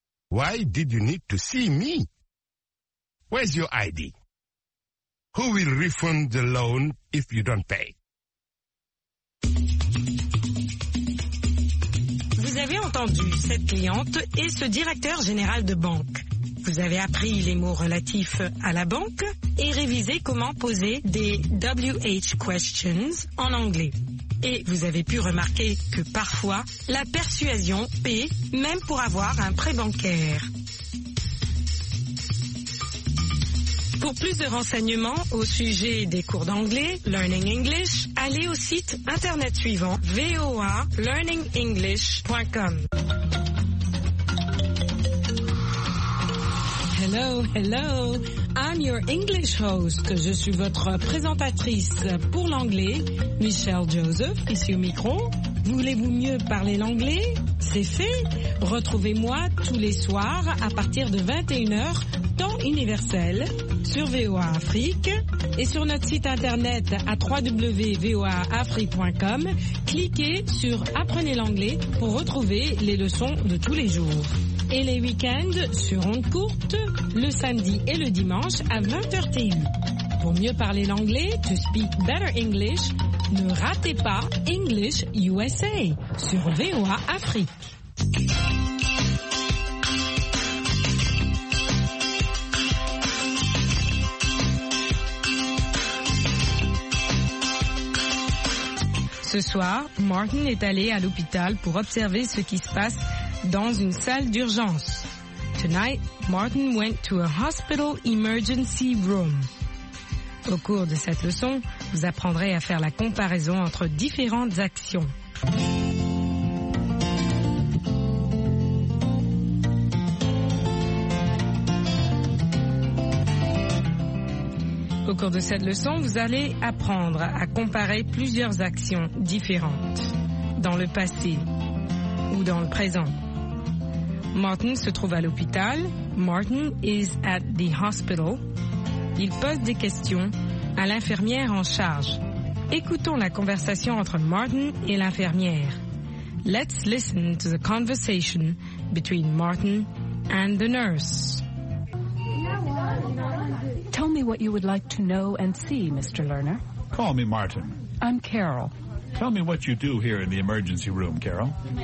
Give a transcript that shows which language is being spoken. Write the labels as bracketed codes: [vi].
[en] Why did you need to see me? Where's your ID? Who will refund the loan if you don't pay? [fr] Vous avez entendu cette cliente et ce directeur général de banque. Vous avez appris les mots relatifs à la banque et révisé comment poser des WH questions en anglais. Et vous avez pu remarquer que parfois, la persuasion paie même pour avoir un prêt bancaire. Pour plus de renseignements au sujet des cours d'anglais, Learning English, allez au site internet suivant voalearningenglish.com. [en] Hello, hello, I'm your English host. [fr] Je suis votre présentatrice pour l'anglais, Michelle Joseph, ici au micro. Voulez-vous mieux parler l'anglais? C'est fait. Retrouvez-moi tous les soirs à partir de 21h, temps universel, sur VOA Afrique et sur notre site internet à www.voaafrique.com. Cliquez sur Apprenez l'anglais pour retrouver les leçons de tous les jours. Et les week-ends sur ondes courtes, le samedi et le dimanche à 20h TU. Pour mieux parler l'anglais, [en] to speak better English, [fr] ne ratez pas English USA sur VOA Afrique. Ce soir, Martin est allé à l'hôpital pour observer ce qui se passe dans une salle d'urgence. [en] Tonight, Martin went to a hospital emergency room. [fr] Au cours de cette leçon, vous apprendrez à faire la comparaison entre différentes actions. Au cours de cette leçon, vous allez apprendre à comparer plusieurs actions différentes dans le passé ou dans le présent. Martin se trouve à l'hôpital. [en] Martin is at the hospital. [fr] Il pose des questions à l'infirmière en charge. Écoutons la conversation entre Martin et l'infirmière. [en] Let's listen to the conversation between Martin and the nurse. Tell me what you would like to know and see, Mr. Lerner. Call me Martin. I'm Carol. Tell me what you do here in the emergency room, Carol.